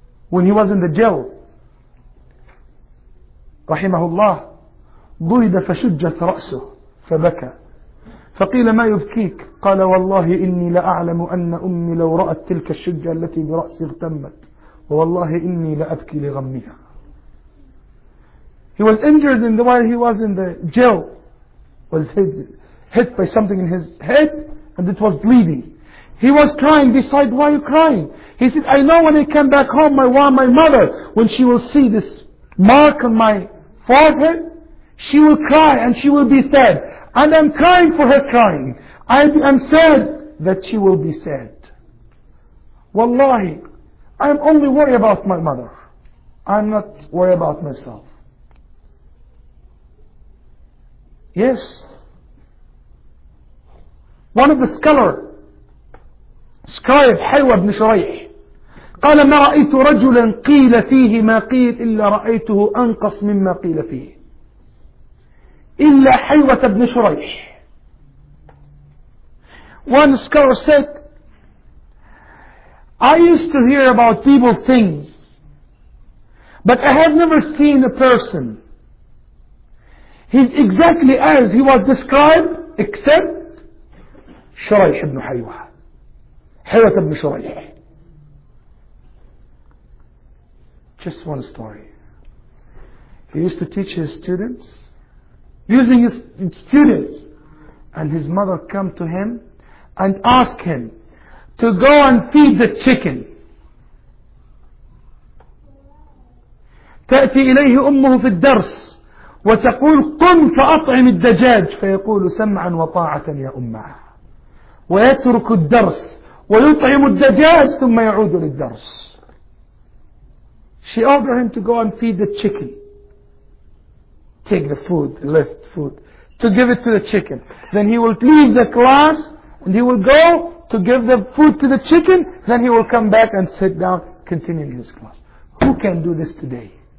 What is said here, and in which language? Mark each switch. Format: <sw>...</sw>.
<en>When he was in the jail,</en> <ar>rahimahullah, ضرب فشجت رأسه فبكى فقيل ما يبكيك قال والله إني لأعلم أن أمي لو رأت تلك الشجة التي برأسي اغتمت والله إني لأبكي لغمها.</ar> <en>He was injured in the while he was in the jail, was hit by something in his head and it was bleeding. He was crying beside, why are you crying? He said, I know when I come back home, my mother, when she will see this mark on my forehead, she will cry and she will be sad. And I'm crying for her crying. I am sad that she will be sad. Wallahi, I'm only worried about my mother. I'm not worried about myself. Yes. One of the scribe</en> <ar>Haywa ibn Shuraih, قال ما رأيت رجلا قيل فيه ما قيل إلا رأيته أنقص مما قيل فيه إلا حيوة بن شريح.</ar> <en>One scholar said, I used to hear about people things, but I have never seen a person. He's exactly as he was described, except شريح بن حيوة.</en> <ar>حيوة بن شريح.</ar> <en>Just one story. He used to teach his students, using his students, and his mother come to him and ask him to go and feed the chicken.</en> <ar>تأتي إليه أمه في الدرس وتقول قم فأطعم الدجاج فيقول سمعا وطاعة يا أمه ويترك الدرس ويطعم الدجاج ثم يعود للدرس.</ar> <en>She ordered him to go and feed the chicken. Take the food, left food, to give it to the chicken. Then he will leave the class and he will go to give the food to the chicken. Then he will come back and sit down, continuing his class. Who can do this today?</en>